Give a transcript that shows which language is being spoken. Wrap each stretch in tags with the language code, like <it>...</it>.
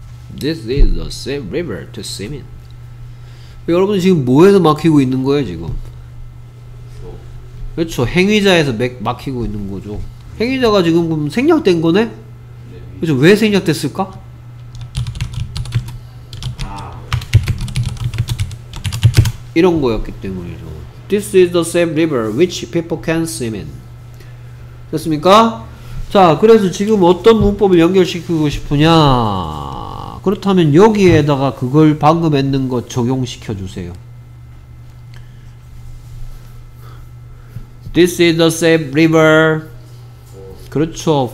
<en>This is the same river to swim in.</en> <ko>여러분 지금 뭐에서 막히고 있는 거예요 지금? 그렇죠. 행위자에서 막히고 있는 거죠. 행위자가 지금 그럼 생략된 거네? 그렇죠. 왜 생략됐을까? 이런 거였기 때문이죠.</ko> <en>This is the same river which people can swim in.</en> <ko>됐습니까? 자, 그래서 지금 어떤 문법을 연결시키고 싶으냐? 그렇다면 여기에다가 그걸 방금 했는 거 적용시켜 주세요.</ko> <en>This is the safe river.</en> <ko>그렇죠.</ko>